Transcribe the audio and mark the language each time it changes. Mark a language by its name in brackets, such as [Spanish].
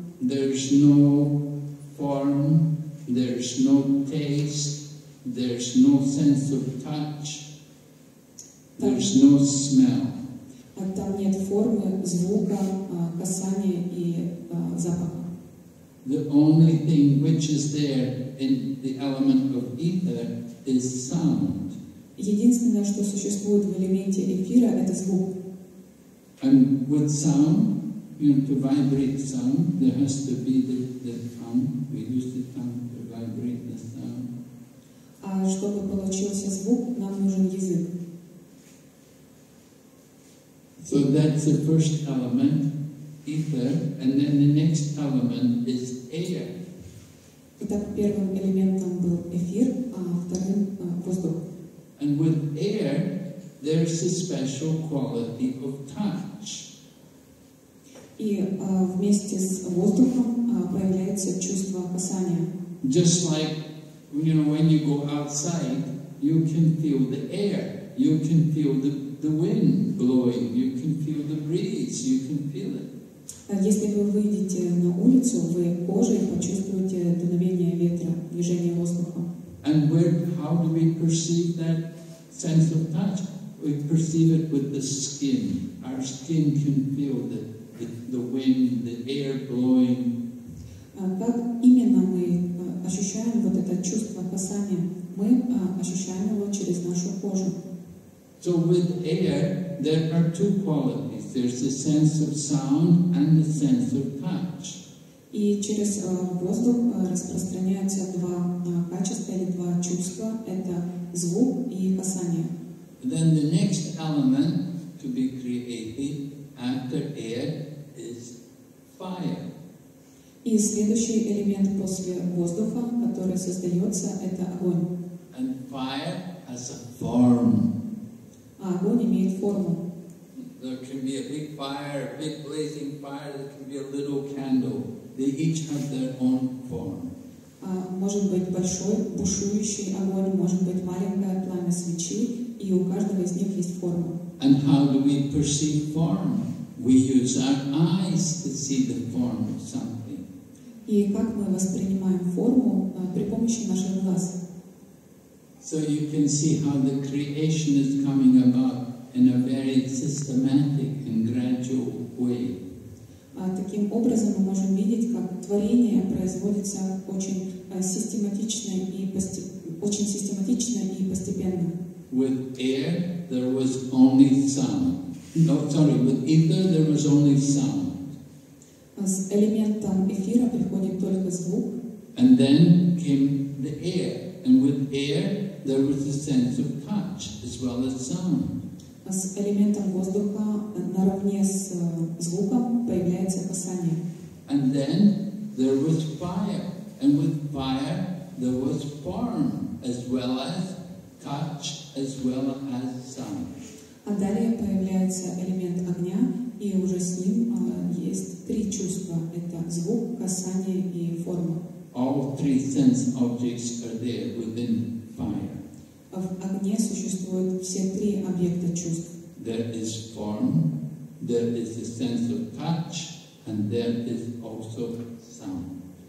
[English] There's no form, there's no taste, there's no sense of touch, there's no smell. [Russian] Там нет формы, звука, касания и запаха. [English] The only thing which is there in the element of ether is sound. [Russian] Единственное, что существует в элементе эфира, это звук. [English] And with sound, you know, to vibrate sound, there has to be the tongue. We use the tongue to vibrate the sound. [Russian] А чтобы получился звук, нам нужен язык. [English] So that's the first element, ether, and then the next element is air. [Russian] Итак, первым элементом был эфир, а вторым воздух. [English] And with air, there's a special quality of touch. [Russian] И вместе с воздухом появляется чувство касания. [English] Just like, you know, when you go outside, you can feel the air, you can feel the wind blowing, you can feel the breeze, you can feel it. [Russian] Если вы выйдете на улицу, вы кожей почувствуете дуновение ветра, движение воздуха. [English] And how do we perceive that sense of touch? We perceive it with the skin. Our skin can feel the wind, the air blowing. [Russian] Как именно мы ощущаем вот это чувство касания? Мы ощущаем его через нашу кожу. [English] So with air, there are two qualities. There's the sense of sound and the sense of touch. [Russian] И через воздух распространяются два качества или два чувства. Это звук и касание. [English] Then the next element to be created after air is fire. [Russian] И следующий элемент после воздуха, который создается, это огонь. [English] And fire has a form. [Russian] А огонь имеет форму. [English] There can be a big fire, a big blazing fire, there can be a little candle. They each have their own form. [Russian] Может быть большой бушующий огонь, может быть маленькое пламя свечи, и у каждого из них есть форма. [English] And how do we perceive form? We use our eyes to see the form of something. [Russian] И как мы воспринимаем форму при помощи наших глаз? [English] So you can see how the creation is coming about in a very systematic and gradual way. [Russian] Таким образом мы можем видеть, как творение производится очень систематично и постепенно. [English] With air, there was only sound. No, sorry, with ether, there was only sound. [Russian] С элементом эфира приходит только звук. [English] And then came the air. And with air, there was a sense of touch as well as sound. [Russian] С элементом воздуха наравне с звуком появляется касание. [English] And then there was fire. And with fire, there was form as well as touch as well as sound. [Russian] А далее появляется элемент огня, и уже с ним есть три чувства. Это звук, касание и форма. [English] All three sense objects are there within fire. [Russian] В огне существуют все три объекта чувств. [English] There is form, there is a sense of touch, and there is also sound.